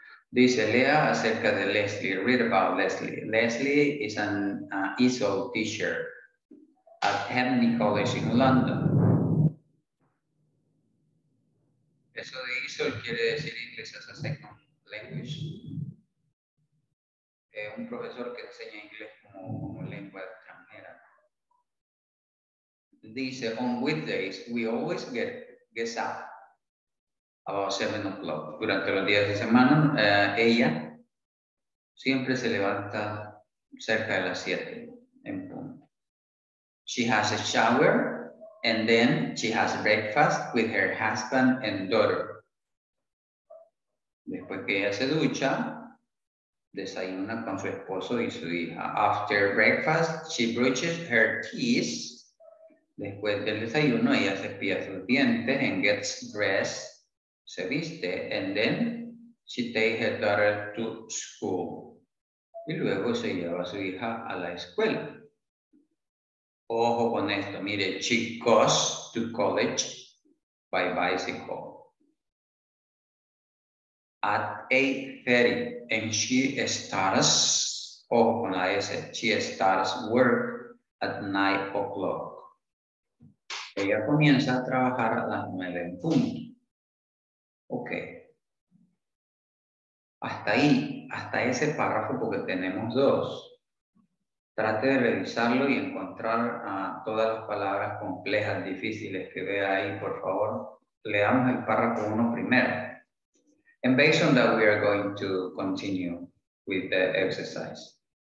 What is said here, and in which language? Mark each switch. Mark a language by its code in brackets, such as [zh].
[es] Dice, lea acerca de Leslie, [en] read about Leslie. Leslie is an ESL teacher at Hampden College in London. [es] Eso de ESL quiere decir [en] English as a second language. [es] Un profesor que enseña inglés como lengua extranjera. [en] Dice, on weekdays, we always get up about 7 o'clock. [es] Durante los días de semana, ella siempre se levanta cerca de las 7 en punto. [en] She has a shower and then she has breakfast with her husband and daughter. [es] Después que ella se ducha, desayuna con su esposo y su hija. [en] After breakfast, she brushes her teeth. [es] Después del desayuno, ella cepilla sus dientes [en] and gets dressed. [es] Se viste. [en] And then she takes her daughter to school. [es] Y luego se lleva a su hija a la escuela. Ojo con esto. Mire, [en] she goes to college by bicycle at 8:30, and she starts, [es] ojo con la S, [en] she starts work at 9 o'clock. [es] Ella comienza a trabajar a las 9 en punto. Ok. Hasta ahí, hasta ese párrafo, porque tenemos dos. Trate de revisarlo y encontrar todas las palabras complejas, difíciles que vea ahí, por favor. Leamos el párrafo uno primero. [en] And based on that, we are going to continue with the exercise.